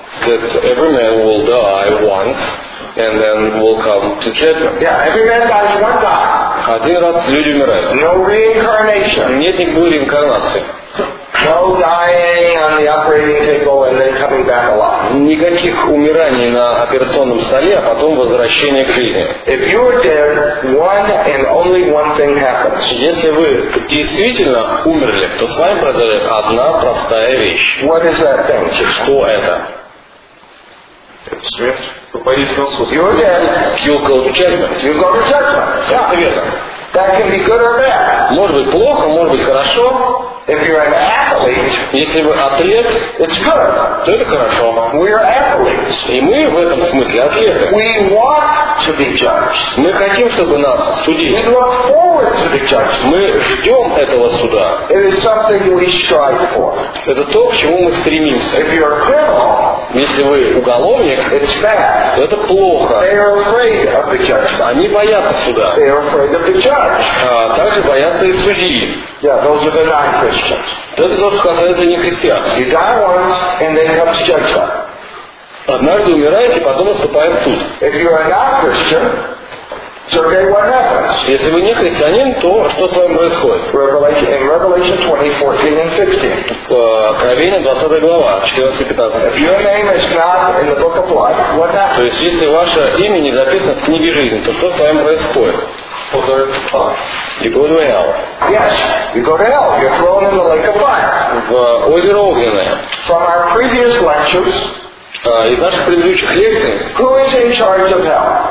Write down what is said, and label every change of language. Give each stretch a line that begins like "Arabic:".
English: That every man will die once. And then we'll come to judgment. Yeah, every man dies one time.
Russian: Один раз люди умирают.
English: No reincarnation.
Russian: Нет никакой реинкарнации.
English: No dying on the operating table and then coming back alive.
Russian: Никаких умираний на операционном столе, а потом возвращение к жизни.
English: If you're dead, one and only one thing happens.
Russian: Если вы действительно умерли, то с вами произойдет одна простая вещь.
English: What is that thing?
Russian: Что это? Это смерть. Вы пойдете на суд.
English: You're dead. You'll go to judgment. You'll go to judgment. Yeah.
Russian: Верно.
English: That can be good or bad.
Russian: Может быть плохо, может быть хорошо.
English: If you're an athlete,
Russian: если вы атлет,
English: it's good.
Russian: То это хорошо.
English: We're athletes.
Russian: И мы в этом смысле атлеты.
English: We want to be judged.
Russian: Мы хотим, чтобы нас судили.
English: We look forward to the judgment.
Russian: Мы ждем этого суда.
English: It is something we strive for.
Russian: Это то, к чему мы стремимся.
English: If you're a criminal,
Russian: если вы уголовник,
English: it's bad.
Russian: То это плохо.
English: They are afraid of the judgment.
Russian: Они боятся суда.
English: They are afraid of the judge.
Russian: Также боятся и судьи.
English: Yeah, those are the non-Christians.
Russian: Это то, что касается нехристиан.
English: You die once, and then comes judgment.
Russian: Однажды умираете, потом наступает суд.
English: If you are not Christian, Sergey, what happens?
Russian: Если вы не христианин, то что с вами происходит?
English: In Revelation 20:14-15.
Russian: Откровение 20 глава, 14-15.
English: If your name is not in the book of life, what happens?
Russian: То есть если ваше имя не записано в книге жизни, то что с вами происходит?
English: You go to hell. Yes, you go to hell. You're thrown in the lake of fire.
Russian: В озеро огненное.
English: From our previous lectures.
Russian: Из наших предыдущих лекций.
English: Who is in charge of hell?